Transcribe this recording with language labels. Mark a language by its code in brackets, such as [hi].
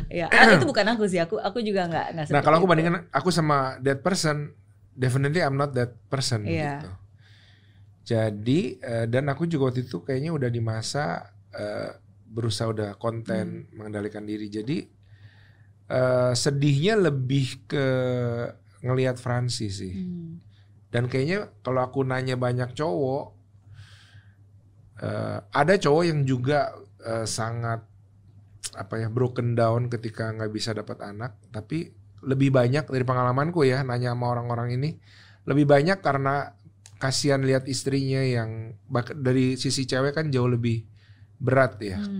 [id] Ya, ah, itu bukan aku sih, aku juga nggak. Nah kalau aku bandingkan aku sama [en] that person, definitely I'm not that person. [id] Yeah. Gitu. Jadi dan aku juga waktu itu kayaknya udah di masa berusaha udah konten mengendalikan diri. Jadi sedihnya lebih ke ngelihat Fransi sih. Dan kayaknya kalau aku nanya banyak cowok, ada cowok yang juga sangat apa ya broken down ketika nggak bisa dapat anak, tapi lebih banyak dari pengalamanku ya nanya sama orang-orang ini, lebih banyak karena kasihan lihat istrinya yang dari sisi cewek kan jauh lebih berat ya.